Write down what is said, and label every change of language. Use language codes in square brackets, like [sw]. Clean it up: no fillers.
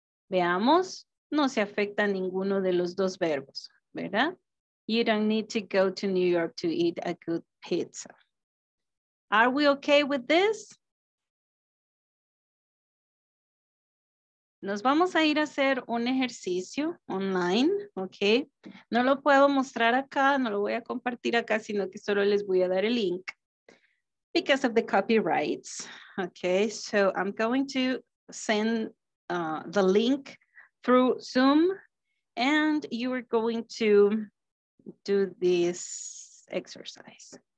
[es] Veamos, no se afecta a ninguno de los dos verbos, ¿verdad? [en] You don't need to go to New York to eat a good pizza. Are we okay with this? [es] Nos vamos a ir a hacer un ejercicio online, ¿ok? No lo puedo mostrar acá, no lo voy a compartir acá, sino que solo les voy a dar el link. [en] Because of the copyrights, okay? So I'm going to send the link through Zoom and you are going to do this exercise.